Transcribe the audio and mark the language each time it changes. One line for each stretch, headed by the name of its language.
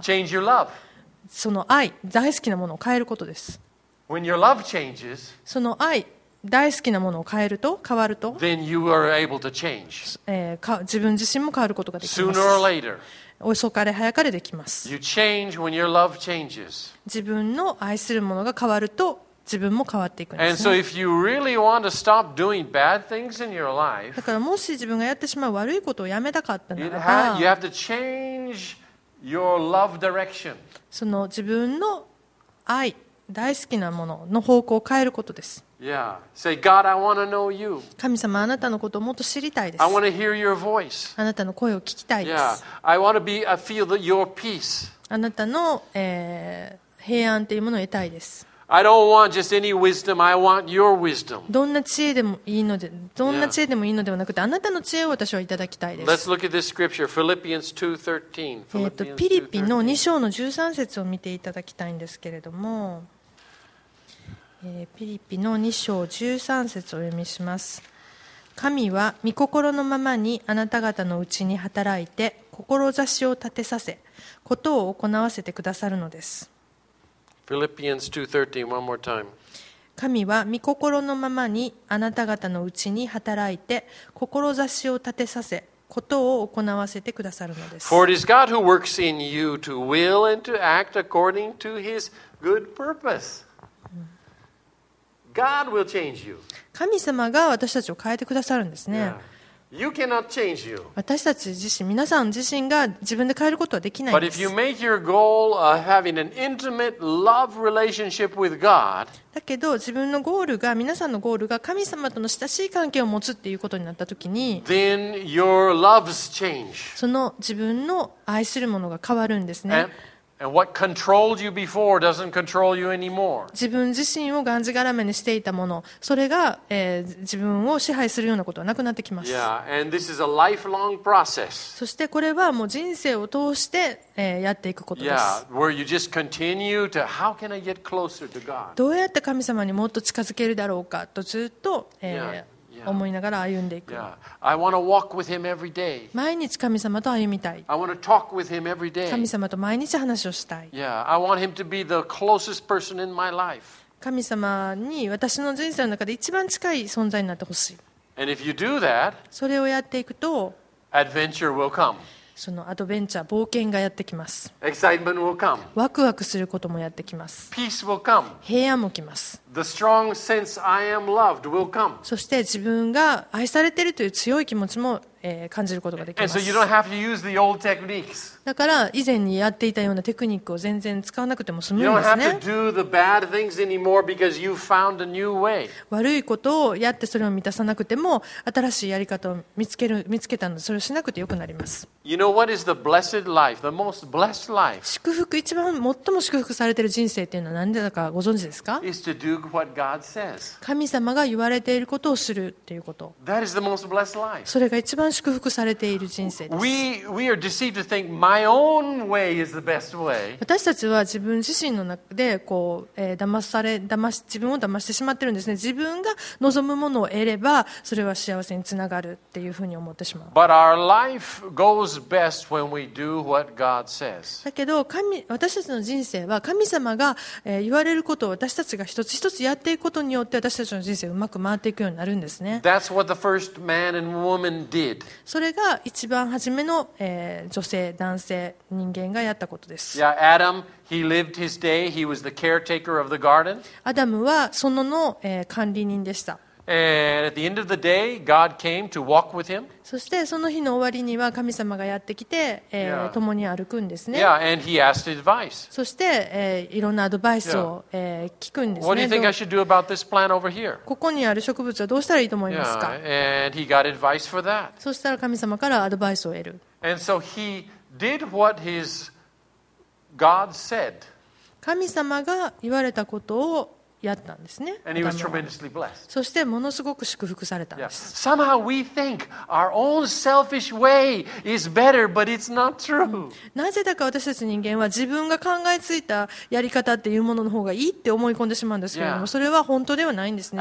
English: change your love.
Japanese: その愛、大好きなものを変えることです。
English: When your love changes,
Japanese: その愛、大好きなものを変えると、変わると、
English: then you are able to change.
Japanese: 自分自身も変わることができます。
English: Sooner or later,
Japanese: 遅かれ早かれできます。
English: You change when your love changes.
Japanese: 自分の愛するものが変わると、自分も変わっていくんですね。
English: And so if you really want to stop doing bad things in your life,
Japanese: だからもし自分がやってしまう悪いことをやめたかったなら
English: ば、you have to change your love direction.
Japanese: その自分の愛、大好きなものの方向を変えることです。
English: Yeah. Say, God, I want to know you.
Japanese: 神様、あなたのことをもっと知りたいです。
English: I want to hear your voice.
Japanese: あなたの声を聞きたいです。
English: Yeah. I want to be, I feel that your peace.
Japanese: あなたの、平安というものを得たいです。
English: I don't want just any wisdom. I want your wisdom.
Japanese: どんな知恵でもいいので、どんな知恵でもいいのではなくて、あなたの知恵を私はいただきたいです。
English: Let's look at this scripture, Philippians 2:13.
Japanese: ピリピの2章の13節を見ていただきたいんですけれども、ピリピの2章13節を読みします。神は御心のままにあなた方のうちに働いて、志を立てさせ、ことを行わせてくださるのです。
English: Philippians 2:13, one more time.
Japanese: 神は御心のままにあなた方のうちに働いて、志を立てさせ、ことを行わせてくださるのです。
English: For it is God who works in you to will and to act according to his good purpose. God will change you.
Japanese: 神様が私たちを変えてくださるんですね。
English: Yeah. You cannot change you.
Japanese: 私たち自身、皆さん自身が自分で変えることはできないんです。
English: But if you make your goal of having an intimate love relationship with God,
Japanese: だけど自分のゴールが、皆さんのゴールが神様との親しい関係を持つっていうことになったときに、
English: then your loves change.
Japanese: その自分の愛するものが変わるんですね。
English: And what controlled you before doesn't control you anymore.
Japanese: 自分自身をがんじがらめにしていたもの、それが、自分を支配するようなことはなくなってきます。
English: Yeah, and this is a lifelong process.
Japanese: そしてこれはもう人生を通して、やっていくことです。
English: Yeah, where you just continue to, how can I get closer to God?
Japanese: どうやって神様にもっと近づけるだろうかとずっと、思いながら歩んでいく。
English: Yeah. I want to walk with him every day.
Japanese: 毎日神様と歩みたい。
English: I want to talk with him every day.
Japanese: 神様と毎日話をしたい。
English: Yeah. I want him to be the closest person in my life.
Japanese: 神様に私の人生の中で一番近い存在になってほしい。
English: And if you do that,
Japanese: それをやっていくと、
English: adventure will come.
Japanese: そのアドベンチャー、冒険がやってきます。
English: Excitement will come.
Japanese: ワクワクすることもやってきます。
English: Peace will come.
Japanese: 平安も来ます。
English: The strong sense I am loved will come.
Japanese: そして自分が愛されているという強い気持ちも感じることができます。
English: And so you don't have to use the old techniques.
Japanese: だから以前にやっていたようなテクニックを全然使わなくても済むんですね。
English: You don't have to do the bad things anymore because you found a new way.
Japanese: 悪いことをやってそれを満たさなくても新しいやり方を見つけたので、それをしなくてよくなります。
English: You know what is the blessed life, the most blessed life?
Japanese: 祝福、一番最も祝福されている人生というのは何だかご存知ですか？
English: Is to do what God says.
Japanese: 神様が言われていることをするということ。
English: That is the most blessed life.
Japanese: それが一番祝福されている人生です。
English: We are deceived to think my own way is the best way.
Japanese: 私たちは自分自身の中でこう、自分を騙してしまってるんですね。自分が望むものを得れば、それは幸せにつながるっていうふうに思ってしまう。
English: But our life goes best when we do what God says.
Japanese: だけど私たちの人生は神様が言われることを私たちが一つ一つやっていくことによって私たちの人生がうまく回っていくようになるんですね。
English: That's what the first man and woman did.
Japanese: それが一番初めの、女性、男性、人間がやったことです。
English: Yeah, Adam, he lived his day. He was the caretaker of the garden.
Japanese: アダムは園の、管理人でした。
English: And at the end of the day, God came to walk with him.
Japanese: そしてその日の終わりには神様がやってきて、yeah. 共に歩くんですね。
English: Yeah, and he asked advice.
Japanese: そして、いろんなアドバイスを、聞くんですね。
English: What do you think I should do about this plant over here?
Japanese: ここにある植物はどうしたらいいと思いますか？
English: Yeah, and he got advice for that.
Japanese: そしたら神様からアドバイスを得る。
English: And so he did what his God said.
Japanese: 神様が言われたことをやったんですね。
English: And he was tremendously blessed.
Japanese: そしてものすごく祝福されたんです。
English: Yeah. Somehow we think our own selfish way is better, but it's not true.
Japanese: なぜだか私たち人間は自分が考えついたやり方っていうものの方がいいって思い込んでしまうんですけども、yeah. それは本当ではないんですね。